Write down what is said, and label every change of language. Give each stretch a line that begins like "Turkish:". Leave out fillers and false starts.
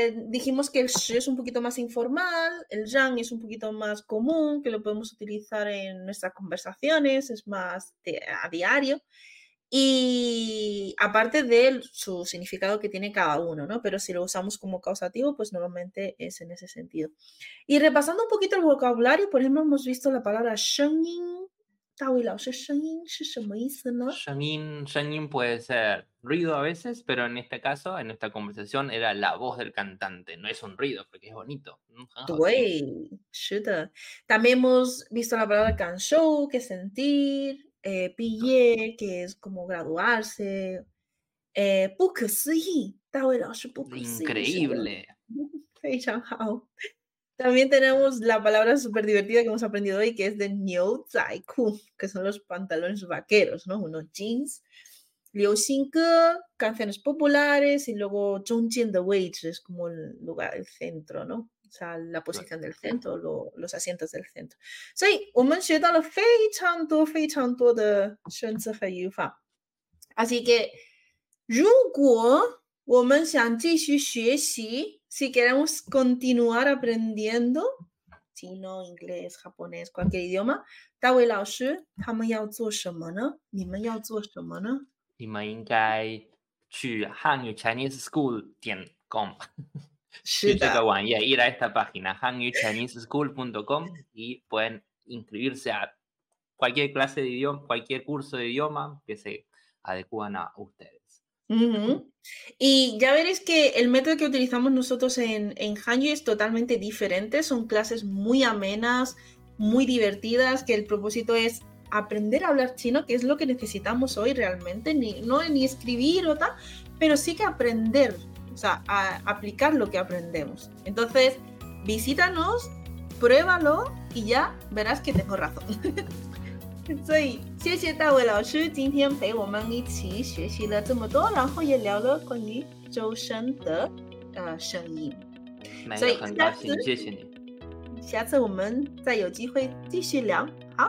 Spanish: Dijimos que el 使 es un poquito más informal, el 让 es un poquito más común, que lo podemos utilizar en nuestras conversaciones, es más a diario. Y aparte de su significado que tiene cada uno, ¿no? Pero si lo usamos como causativo, pues normalmente es en ese sentido. Y repasando un poquito el vocabulario, por ejemplo, hemos visto la palabra 声音. Tawi, la oye,
Chinese: 声音是什么意思呢?
Spanish: 声音, 声音puede ser ruido a veces, pero en este caso, en esta conversación, era la voz del cantante. No es un ruido, porque es bonito.
Chinese: 对, 是的.
Spanish: También hemos visto la palabra 感受, que es sentir. 毕业, que es como graduarse.
Chinese: 不可思议, 大卫老师不可思议。
Spanish: Increíble.
Chinese: 非常好。
Spanish: También tenemos la palabra súper divertida que hemos aprendido hoy, que es de 牛仔裤, que son los pantalones vaqueros, ¿no? Unos jeans. 流行歌, canciones populares, y luego 中间的位置, es como el lugar, el centro, ¿no? O sea, la posición del centro, los asientos del centro.
Chinese: So, 我们学到了非常多非常多的生词和语法。
Spanish: Así que,
Chinese: 如果我们想继续学习,
Spanish: si queremos continuar aprendiendo, chino, inglés, japonés, cualquier idioma,
Chinese: 大卫老师, 他们要做什么呢? 你们要做什么呢? 你们应该去汉语 chineseschool.com。是这个网页
Spanish: ir a esta página hanyuchineseschool.com y pueden inscribirse a cualquier clase de idioma, cualquier curso de idioma que se adecuan a ustedes. Y ya veréis que el método que utilizamos nosotros en Hanyu es totalmente diferente. Son clases muy amenas, muy divertidas, que el propósito es aprender a hablar chino, que es lo que necesitamos hoy realmente, ni escribir o tal, pero sí que aprender o sea, a aplicar lo que aprendemos. Entonces, visítanos, pruébalo y ya verás que tengo razón.
Chinese: 所以谢谢大伟老师今天陪我们一起学习了这么多，然后也聊了关于周深的声音。那也很高兴，谢谢你。下次我们再有机会继续聊，好。